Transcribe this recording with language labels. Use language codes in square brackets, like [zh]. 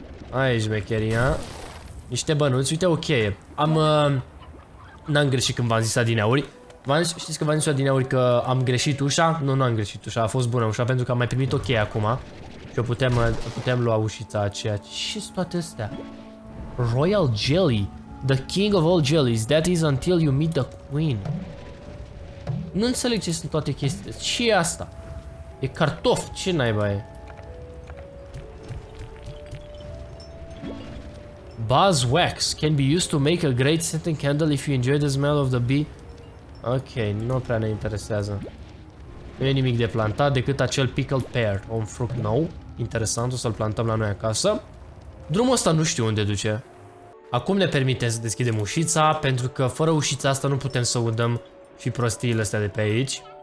[ro] Aici, mecheria. Niște bănuți, uite, ok. Am, n-am greșit când v-am zis adineauri. Știți că v-am zis adineauri că am greșit ușa? Nu, nu am greșit ușa, a fost bună ușa pentru că am mai primit ok acum. Și o putem lua ușița aceea. Ce sunt toate astea? Royal jelly. [en] The king of all jellies, that is until you meet the queen. [ro] Nu înțeleg ce sunt toate chestiile. Ce e asta? E cartof, ce naiba e? [en] Buzz wax can be used to make a great scented candle if you enjoy the smell of the bee. [ro] Ok, nu prea ne interesează. Nu e nimic de plantat decât acel pickled pear. Un fruct nou, interesant, o să-l plantăm la noi acasă. Drumul ăsta nu știu unde duce. Acum ne permite să deschidem ușița, pentru că fără ușița asta nu putem să udăm și prostiile astea de pe aici.